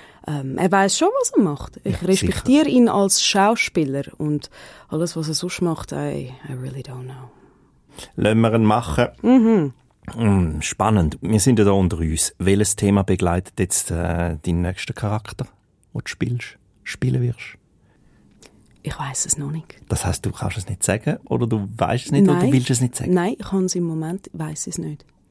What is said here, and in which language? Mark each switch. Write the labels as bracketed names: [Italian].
[German] Er weiß schon, was er macht. Ich respektiere ihn als Schauspieler. Und alles, was er sonst macht, [English] I really don't know. [German] Lassen wir ihn machen. Spannend. Wir sind ja da unter uns. Welches Thema begleitet jetzt deinen nächsten Charakter, den du spielen wirst? Ich weiß es noch nicht. Das heisst, du kannst es nicht sagen? Oder du weißt es nicht? Nein. Oder du willst es nicht sagen? Nein, ich kann es im Moment, weiß es nicht.